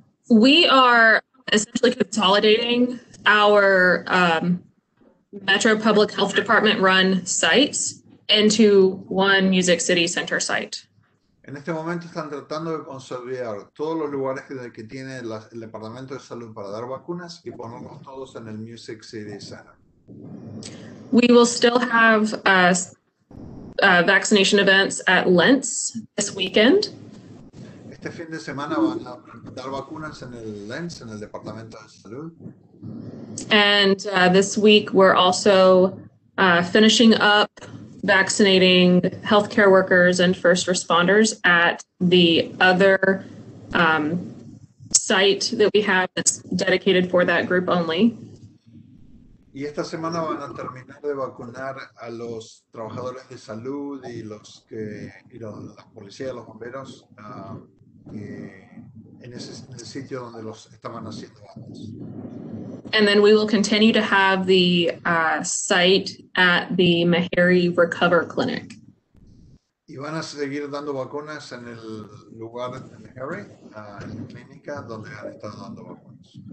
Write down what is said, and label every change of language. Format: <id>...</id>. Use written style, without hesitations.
<en>We are essentially consolidating our Metro Public Health Department run sites into one Music City Center site.</en> <es>En este momento están tratando de consolidar todos los lugares que tiene el Departamento de Salud para dar vacunas y ponerlos todos en el Music City Center.</es> <en>We will still have vaccination events at Lentz this weekend.</en> <es>Este fin de semana van a dar vacunas en el Lentz, en el Departamento de Salud.</es> <en>And this week we're also finishing up vaccinating healthcare workers and first responders at the other site that we have that's dedicated for that group only.</en> <es>Y esta semana van a terminar de vacunar a los trabajadores de salud y los que y los la policía, los bomberos en el sitio donde los estaban haciendo antes.</es> <en>And then we will continue to have the site at the Meharry Recover Clinic.</en> <es>Y van a seguir dando vacunas en el lugar de Meharry, en la clínica donde han estado dando vacunas.</es>